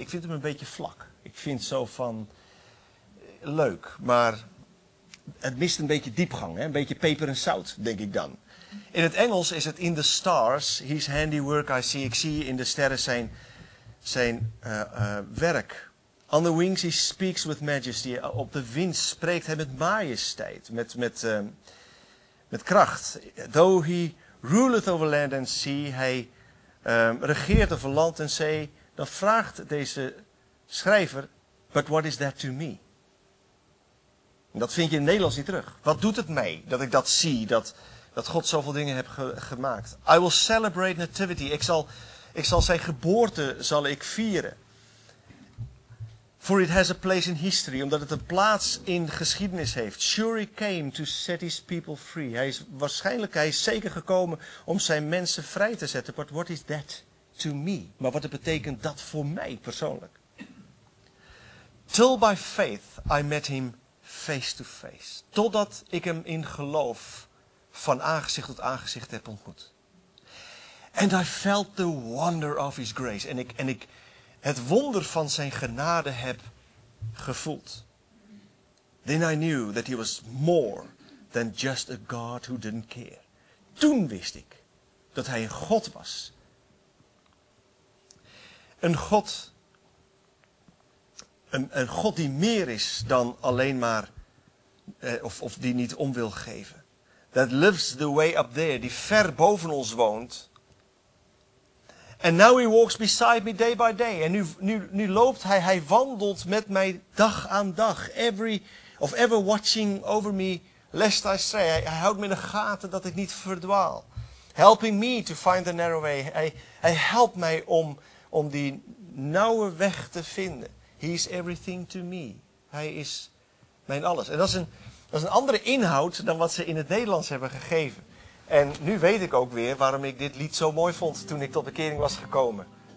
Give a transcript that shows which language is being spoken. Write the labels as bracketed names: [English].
[Dutch] Ik vind hem een beetje vlak. Ik vind zo van leuk, maar het mist een beetje diepgang. Hè? Een beetje peper en zout, denk ik dan. In het Engels is het [English] in the stars, his handiwork I see. [Dutch] Ik zie in de sterren zijn werk. [English] On the wings he speaks with majesty. [Dutch] Op de wind spreekt hij met majesteit, met kracht. [English] Though he ruleth over land and sea, [Dutch] hij regeert over land en zee, dan vraagt deze schrijver, [English] but what is that to me? [Dutch] En dat vind je in het Nederlands niet terug. Wat doet het mij dat ik dat zie, dat God zoveel dingen heeft gemaakt? [English] I will celebrate nativity. [Dutch] Ik zal zijn geboorte zal ik vieren. [English] For it has a place in history, [Dutch] omdat het een plaats in geschiedenis heeft. [English] Sure he came to set his people free. [Dutch] Hij is zeker gekomen om zijn mensen vrij te zetten. [English] But what is that to me? [Dutch] Maar wat betekent dat voor mij persoonlijk? [English] Till by faith I met him face to face. [Dutch] Totdat ik hem in geloof van aangezicht tot aangezicht heb ontmoet. [English] And I felt the wonder of his grace. [Dutch] En ik het wonder van zijn genade heb gevoeld. [English] Then I knew that he was more than just a God who didn't care. [Dutch] Toen wist ik dat hij een God was. Een God die meer is dan alleen maar, of die niet om wil geven. [English] That lives the way up there, [Dutch] die ver boven ons woont. [English] And now he walks beside me day by day. [Dutch] En nu loopt hij wandelt met mij dag aan dag. [English] Ever watching over me, lest I stray. [Dutch] Hij houdt me in de gaten dat ik niet verdwaal. [English] Helping me to find the narrow way. [Dutch] Hij helpt mij om die nauwe weg te vinden. [English] He is everything to me. [Dutch] Hij is mijn alles. En dat is een andere inhoud dan wat ze in het Nederlands hebben gegeven. En nu weet ik ook weer waarom ik dit lied zo mooi vond toen ik tot bekering was gekomen.